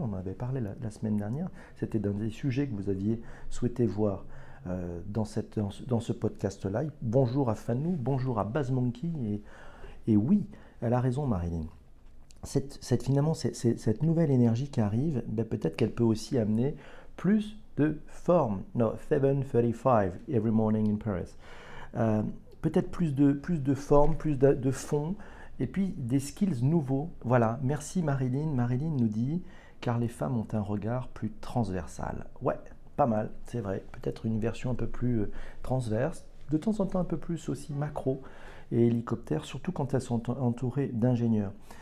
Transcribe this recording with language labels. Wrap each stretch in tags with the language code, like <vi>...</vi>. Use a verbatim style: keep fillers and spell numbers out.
<fr>On en avait parlé la, la semaine dernière. C'était d'un des sujets que vous aviez souhaité voir euh, dans, cette, dans, ce, dans ce podcast-là. Bonjour à Fanou, bonjour à BuzzMonkey. Et, et oui, elle a raison, Marilyn. Cette, cette, finalement, cette, cette nouvelle énergie qui arrive, ben peut-être qu'elle peut aussi amener plus de forme.</fr> <en>Non, seven thirty-five, every morning in Paris.</en> <fr>Euh, peut-être plus de, plus de forme, plus de, de fond, et puis des skills nouveaux. Voilà, merci Marilyn. Marilyn nous dit, car les femmes ont un regard plus transversal. Ouais, pas mal, c'est vrai. Peut-être une version un peu plus transverse, de temps en temps un peu plus aussi macro et hélicoptère, surtout quand elles sont entourées d'ingénieurs.</fr>